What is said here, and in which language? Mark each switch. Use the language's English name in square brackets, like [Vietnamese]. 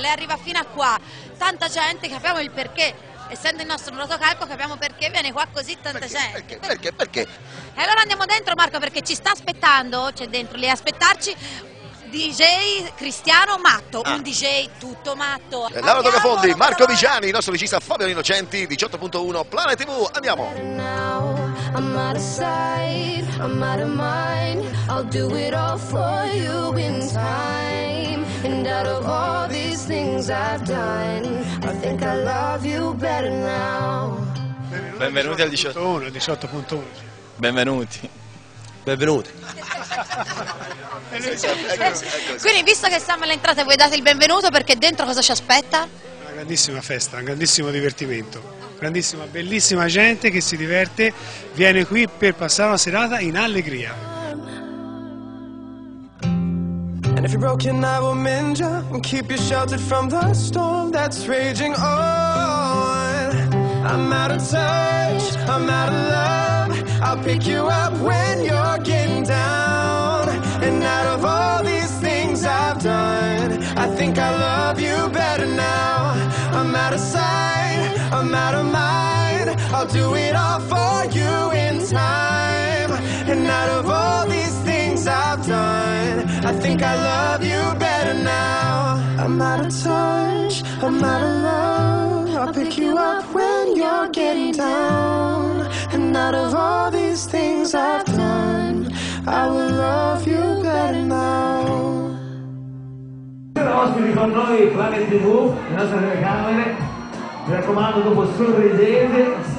[Italian] Lei arriva fino a qua, tanta gente, capiamo il perché, essendo il nostro protocalco capiamo perché viene qua così tanta gente. Perché? E allora andiamo dentro, Marco, perché ci sta aspettando, c'è dentro lì a aspettarci, DJ Cristiano Matto, un DJ tutto matto. Laura Tocafondi, Marco Viciani, il nostro regista Fabio Innocenti, 18.1, Planet TV, andiamo! [English] I'm out of sight, I'm out of mind. I'll do it all for you in time. And out of all these things I've done, I think I love you better now. [Italian] Benvenuti al 18.1. Benvenuti. Benvenuti. Quindi, visto che siamo all'entrata, voi date il benvenuto, perché dentro cosa ci aspetta? Una grandissima festa, un grandissimo divertimento. Grandissima, bellissima gente che si diverte, viene qui per passare una serata in allegria. [English] And if you're broken, I will mend you and keep you sheltered from the storm that's raging on. I'm out of touch, I'm out of love. I'll pick you up when you're getting down. And out of all these things I've done, I think I love you better now. I'm out of sight, I'm out of mind. I'll do it all for you in time. And out of all these things I've done, I think I love you better now. I'm out of touch, I'm out of love. I'll pick you up when you're getting down. And out of all these things I've done, I will love you better now. [Italian] Ospiti con noi, Planet TV, le nostre telecamere. Mi raccomando, dopo sorridete.